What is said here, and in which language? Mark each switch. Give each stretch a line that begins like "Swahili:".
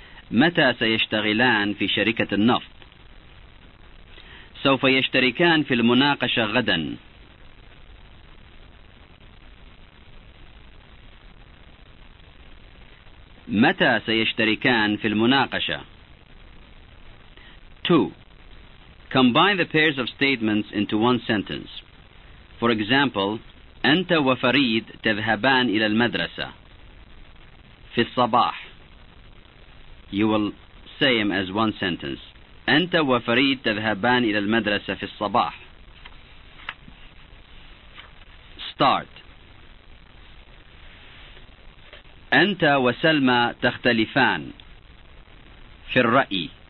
Arabic: متى سيشتغلان في شركة النفط؟ سوف يشتركان في المناقشة غدا. متى سيشتركان في المناقشة؟ 2.
English: Combine the pairs of statements into one sentence. For example,
Arabic: أنت وفريد تذهبان إلى المدرسة في الصباح.
English: You will say them as one sentence.
Arabic: أنت وفريد تذهبان إلى المدرسة في الصباح.
English: Start.
Arabic: أنت وسلمى تختلفان في الرأي.